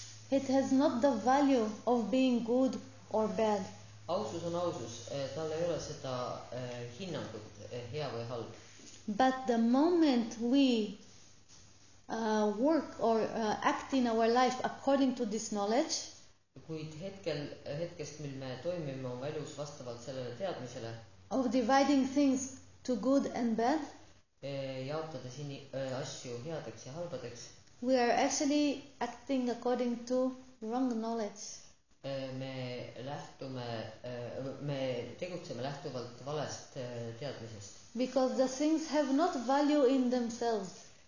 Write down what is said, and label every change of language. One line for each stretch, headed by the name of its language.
English: It has not the value of being good or bad.
Estonian: Ausus on ausus. Tal ei ole seda hinnangut, hea või halb.
English: But the moment we work or act in our life according to this knowledge,
Estonian: kuid hetkest, mil me toimime oma elus vastavalt sellele teadmisele,
English: of dividing things to good and bad,
Estonian: jaotades asju headeks ja halbadeks,
English: we are actually acting according to wrong knowledge.
Estonian: Me tegutseme lähtuvalt valest teadmisest.
English: Because the things have not value in themselves.